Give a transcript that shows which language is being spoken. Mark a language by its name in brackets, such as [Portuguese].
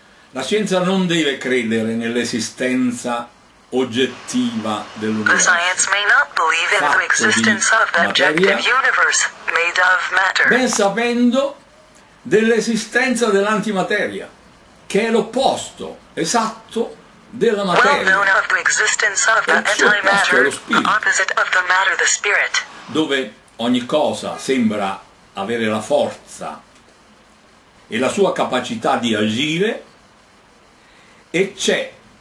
[Italian] La scienza non deve credere nell'esistenza oggettiva dell'universo. [English] The science may not believe in the existence of the objective universe made of matter. [Italian] Ben sapendo dell'esistenza dell'antimateria, che è l'opposto esatto della materia. [English] Well known of the existence of the antimatter, the opposite of the matter, the spirit. [Italian] Dove ogni cosa sembra avere la forza e la sua capacità di agire, e c'è